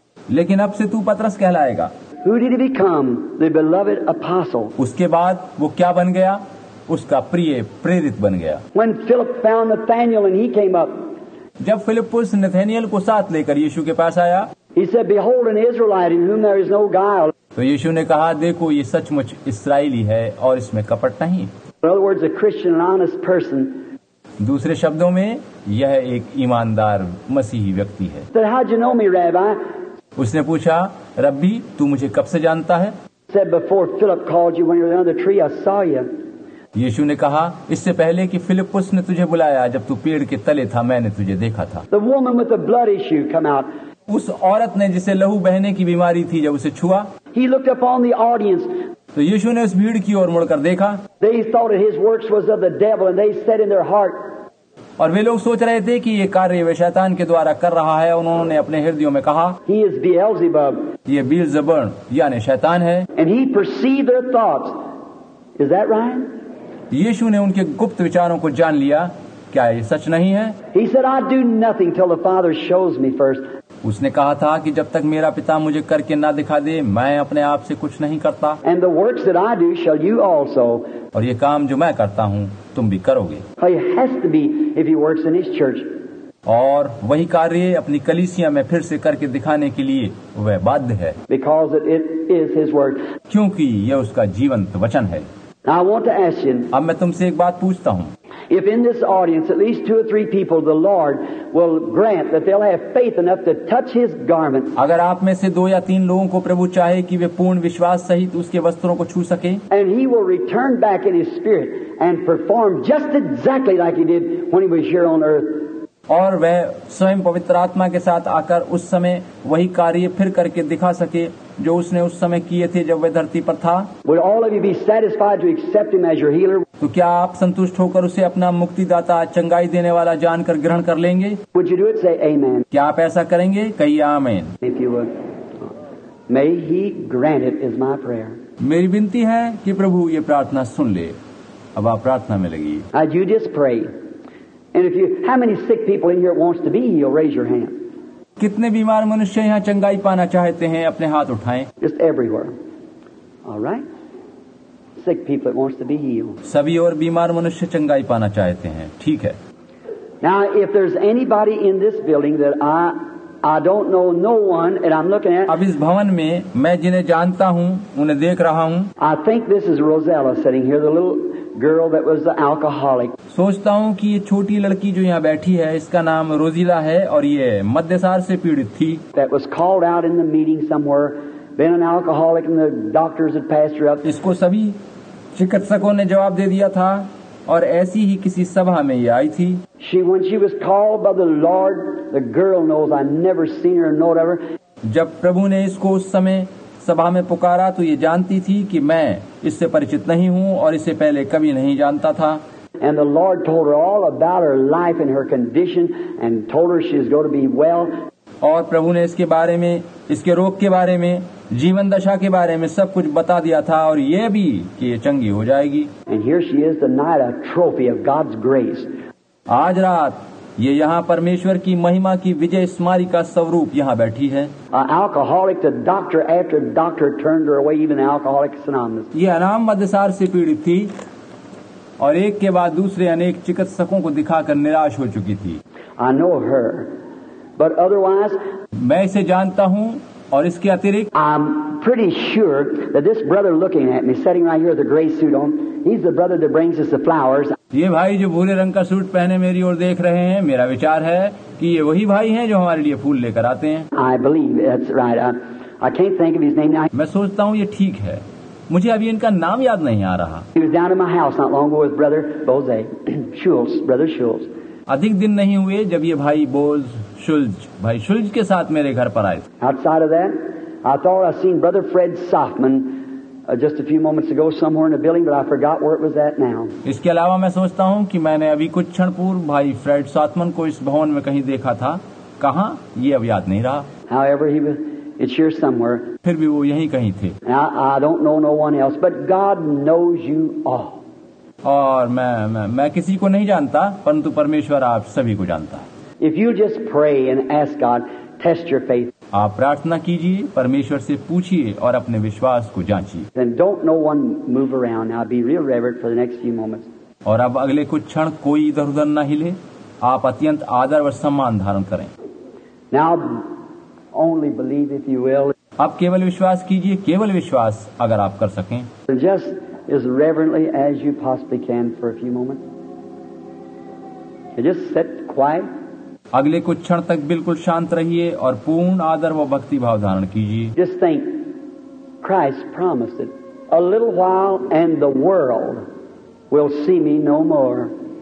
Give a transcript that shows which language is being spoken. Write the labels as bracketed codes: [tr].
[hi] लेकिन अब से तू पतरस कहलाएगा. [en] Who did he become? The beloved apostle. [hi] उसके बाद वो क्या बन गया? उसका प्रिय प्रेरित बन गया. [en] When Philip found Nathaniel and he came up. [hi] जब फिलिप्पुस नथानियल को साथ लेकर यीशु के पास आया. [en] He said, "Behold, an Israelite in whom there is no guile." [hi] तो यीशु ने कहा, देखो ये सचमुच इस्राएली है और इसमें कपट नहीं. [en] In other words, a Christian, an honest person. [hi] दूसरे शब्दों में यह एक ईमानदार मसीही व्यक्ति है. [en] Then how did you know me, Rabbi? [hi] उसने पूछा, रब्बी तू मुझे कब से जानता है? [en] Said before Philip called you when you were under the tree, I saw you. [hi] यीशु ने कहा, इससे पहले कि फिलिप्पुस ने तुझे बुलाया, जब तू पेड़ के तले था, मैंने तुझे देखा था. [en] The woman with the blood issue come out. [hi] उस औरत ने जिसे लहू बहने की बीमारी थी, जब उसे छुआ. [en] He looked upon the audience. [hi] तो यीशु ने उस भीड़ की ओर मुड़कर देखा. [en] They thought that his works was of the devil, and they said in their heart. [hi] और वे लोग सोच रहे थे कि ये कार्य वे शैतान के द्वारा कर रहा है. उन्होंने अपने हृदयों में कहा, [en] He is Beelzebub. [hi] ये बीलजबर्न यानी शैतान है. [en] And he perceived their thoughts. Is that right? [hi] यीशु ने उनके गुप्त विचारों को जान लिया. क्या ये सच नहीं है? [en] He said, I do nothing till the Father shows me first. [hi] उसने कहा था कि जब तक मेरा पिता मुझे करके ना दिखा दे, मैं अपने आप से कुछ नहीं करता. [en] And the works that I do shall you also. [hi] और ये काम जो मैं करता हूँ तुम भी करोगे. [en] He has to be if he works in his church. [hi] और वही कार्य अपनी कलीसिया में फिर से करके दिखाने के लिए वह बाध्य है. [en] Because it is his word. [hi] क्योंकि यह उसका जीवंत वचन है. [en] Now I want to ask you. [hi] अब मैं तुमसे एक बात पूछता हूँ. [en] If in this audience at least two or three people, the Lord will grant that they'll have faith enough to touch His garment. [hi] अगर आप में से दो या तीन लोगों को प्रभु चाहे कि वे पूर्ण विश्वास सहित उसके वस्त्रों को छू सके. [en] And He will return back in His spirit and perform just exactly like He did when He was here on earth. [hi] और वह स्वयं पवित्र आत्मा के साथ आकर उस समय वही कार्य फिर करके दिखा सके जो उसने उस समय किए थे जब वह धरती पर था. [en] Would all of you be satisfied to accept Him as your healer? [hi] तो क्या आप संतुष्ट होकर उसे अपना मुक्तिदाता चंगाई देने वाला जानकर ग्रहण कर लेंगे? [en] Would you do it? Say amen. [hi] क्या आप ऐसा करेंगे? कहिए आमीन. [en] If you would. May He grant it is my prayer. [hi] मेरी विनती है कि प्रभु ये प्रार्थना सुन ले. अब आप प्रार्थना में लगिए. [en] As you just pray. And if you, how many sick people in here wants to be healed? Raise your hand. [hi] कितने बीमार मनुष्य यहाँ चंगाई पाना चाहते हैं? अपने हाथ उठाएं. [en] Just everywhere. All right. Sick people that wants to be healed. [hi] सभी और बीमार मनुष्य चंगाई पाना चाहते हैं. ठीक है. [en] Now, if there's anybody in this building that I don't know, no one, and I'm looking at. [hi] अब इस भवन में मैं जिन्हें जानता हूँ, उन्हें देख रहा हूँ. [en] I think this is Rosella sitting here, the little. Girl that was the alcoholic. [hi] सोचता हूँ कि ये छोटी लड़की जो यहाँ बैठी है, इसका नाम रोजिला है और ये मद्यसार से पीड़ित थी. [en] That was called out in the meeting somewhere, been an alcoholic, and the doctors had passed her up. [hi] इसको सभी चिकित्सकों ने जवाब दे दिया था और ऐसी ही किसी सभा में ये आई थी. [en] She, when she was called by the Lord, the girl knows I never seen her nor ever. [hi] जब प्रभु ने इसको उस समय सभा में पुकारा तो ये जानती थी कि मैं इससे परिचित नहीं हूँ और इसे पहले कभी नहीं जानता था. [en] And the Lord told her all about her life and her condition and told her she's going to be well. [hi] और प्रभु ने इसके बारे में, इसके रोग के बारे में, जीवन दशा के बारे में सब कुछ बता दिया था, और ये भी कि ये चंगी हो जाएगी। [en] And here she is, the night, a trophy of God's grace. [hi] आज रात ये यहाँ परमेश्वर की महिमा की विजय स्मारी का स्वरूप यहाँ बैठी है। [en] Alcoholic, the doctor after doctor turned her away, even Alcoholics Anonymous. [hi] ये अनाम मद्यसार से पीड़ित थी और एक के बाद दूसरे अनेक चिकित्सकों को दिखाकर निराश हो चुकी थी। [en] I know her, but otherwise, [hi] मैं इसे जानता हूँ और इसके अतिरिक्त [en] I'm pretty sure that this brother looking at me, sitting right here with the gray suit on, he's the brother that brings us the flowers. [hi] ये भाई जो भूरे रंग का सूट पहने मेरी ओर देख रहे हैं, मेरा विचार है कि ये वही भाई हैं जो हमारे लिए फूल लेकर आते हैं। [en] I believe that's right. I can't think of his name now. [hi] मैं सोचता हूँ ये ठीक है, मुझे अभी इनका नाम याद नहीं आ रहा। [en] He was down in my house not long ago with brother Bose, Schulz, brother Schulz. [hi] अधिक दिन नहीं हुए जब ये भाई बोज शुल्ज, भाई शुल्ज के साथ मेरे घर पर आए। [en] Outside of that, I thought I seen brother Fred Softman just a few moments ago somewhere in a building, but I forgot where it was at now. [hi] इसके अलावा मैं सोचता हूँ कि मैंने अभी कुछ क्षण पूर्व भाई फ्रेड सॉथमन को इस भवन में कहीं देखा था, कहाँ ये अब याद नहीं रहा। [en] However, he was, it's here somewhere. [hi] फिर भी वो यहीं कहीं थे। [en] I don't know no one else, but God knows you all. [hi] और मैं किसी को नहीं जानता, परंतु परमेश्वर आप सभी को जानता है। [en] If you just pray and ask God, test your faith. [hi] आप प्रार्थना कीजिए, परमेश्वर से पूछिए और अपने विश्वास को जांचिए। [en] Then don't no one move around. I'll be real reverent for the next few moments. [hi] और अब अगले कुछ क्षण कोई इधर उधर न हिले, आप अत्यंत आदर व सम्मान धारण करें। [en] Now only believe if you will. [hi] आप केवल विश्वास कीजिए, केवल विश्वास अगर आप कर सकें। [en] Just as reverently as you possibly can for a few moments. Just sit quiet. [hi] अगले कुछ क्षण तक बिल्कुल शांत रहिए और पूर्ण आदर व भक्ति भाव धारण कीजिए। [en] Just think, Christ promised it. A little while and the world will see me no more.